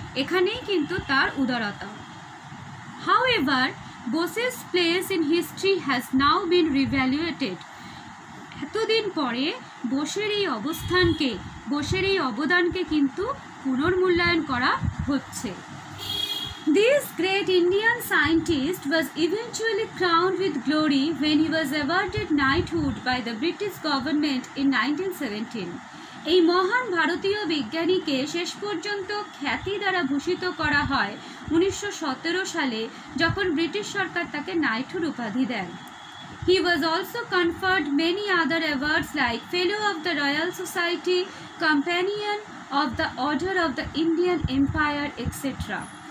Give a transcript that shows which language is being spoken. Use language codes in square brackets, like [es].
[bn] এখানেই কিন্তু তার উদারতা। [en] However, Bose's place in history has now been revaluated. [bn] এতদিন পরে বোসের এই অবস্থানকে, বোসের এই অবদানকে কিন্তু পুনর্মূল্যায়ন করা হচ্ছে। [en] This great Indian scientist was eventually crowned with glory when he was awarded knighthood by the British government in 1917. [bn] এই মহান ভারতীয় বিজ্ঞানীকে শেষ পর্যন্ত খ্যাতি দ্বারা ভূষিত করা হয় 1917 সালে, যখন ব্রিটিশ সরকার তাকে নাইটহুড উপাধি দেন। [en] He was also conferred many other awards like Fellow of the Royal Society, Companion of the Order of the Indian Empire etcetera.